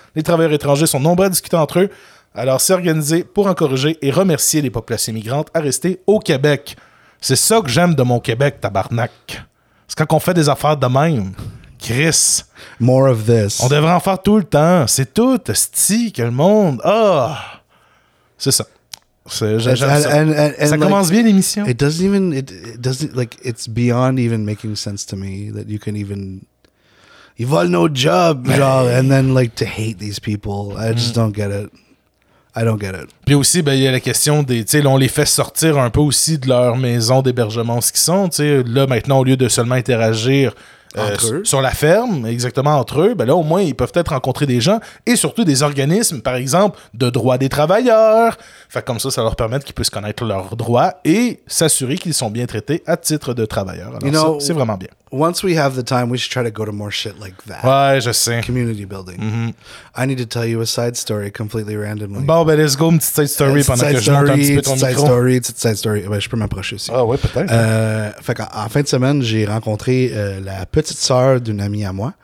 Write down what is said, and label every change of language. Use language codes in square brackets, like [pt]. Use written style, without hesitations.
[fr] Les travailleurs étrangers sont nombreux à discuter entre eux. Alors, c'est organisé pour encourager et remercier les populations migrantes à rester au Québec. C'est ça que j'aime de mon Québec, tabarnak. C'est quand on fait des affaires de même. Chris. [en] More of this. [fr] On devrait en faire tout le temps. C'est tout. Sti, que le monde. Ah! Oh. C'est ça. [en] And [fr] ça commence bien l'émission. [en] It's beyond even making sense to me that you can even... You've all no job, genre. And then, like, to hate these people. I just don't get it. [fr] Puis aussi, ben, y a la question des... Tu sais, on les fait sortir un peu aussi de leur maison d'hébergement, ce qu'ils sont. Tu sais, là, maintenant, au lieu de seulement interagir... sur la ferme, exactement, entre eux, ben là, au moins, ils peuvent peut-être rencontrer des gens et surtout des organismes, par exemple, de droits des travailleurs. Fait comme ça, ça leur permet qu'ils puissent connaître leurs droits et s'assurer qu'ils sont bien traités à titre de travailleurs. Alors, [en] you [fr] ça, c'est vraiment bien. [en] Once we have the time, we should try to go to more shit like that. [fr] Ouais, je sais. [en] Community building. Mm-hmm. I need to tell you a side story completely randomly. [fr] Bon, ben, [en] let's go, [fr] une petite side story pendant [en] side [fr] que [en] story, [fr] je monte un petit peu ton [en] side [fr] micro. Story, petite side story. Ben, je peux m'approcher aussi. Ah, ouais, peut-être. Fait qu'en fin de semaine, j'ai rencontré la petite sœur d'une amie à moi.